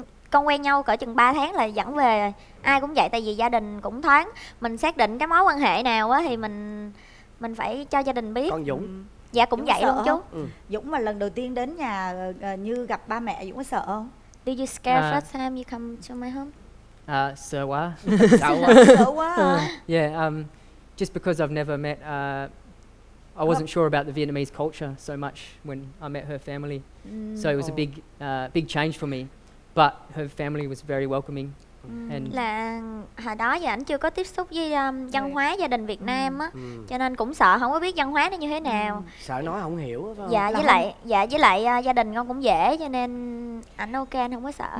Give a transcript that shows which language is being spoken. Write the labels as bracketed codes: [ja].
[vi] Con quen nhau cỡ chừng 3 tháng là dẫn về rồi. Ai cũng vậy, tại vì gia đình cũng thoáng. Mình xác định cái mối quan hệ nào á thì mình phải cho gia đình biết. Còn Dũng? Dạ cũng vậy luôn chú. Dũng mà lần đầu tiên đến nhà Như gặp ba mẹ, Dũng có sợ không? [en] Do you scare first time you come to my home? [vi] Sợ quá. Sợ quá. [en] Just because I've never met I wasn't sure about the Vietnamese culture so much when I met her family. So it was a big change for me. But her family was very welcoming. [vi] And là hồi đó giờ anh chưa có tiếp xúc với văn hóa gia đình Việt Nam á. Cho nên cũng sợ không có biết văn hóa nó như thế nào. Sợ nói không hiểu phải không? Với lại gia đình con cũng dễ cho nên anh ok, anh không có sợ.